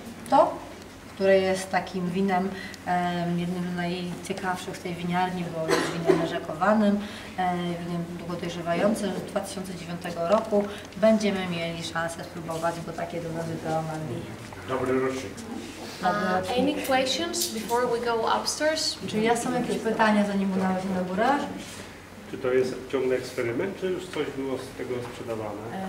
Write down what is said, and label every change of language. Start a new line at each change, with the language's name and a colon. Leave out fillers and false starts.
Polish: To, które jest takim winem, jednym z najciekawszych w tej winiarni, bo jest winem rzekowanym, winem długodojrzewającym z 2009 roku. Będziemy mieli szansę spróbować, bo takie do nas wybrało mamy. Dobry rocznik.
English: Any questions before we go upstairs?
Polish: Czy ja są jakieś pytania, zanim udało się na górę? Czy to jest ciągle eksperyment, czy już coś było z tego sprzedawane?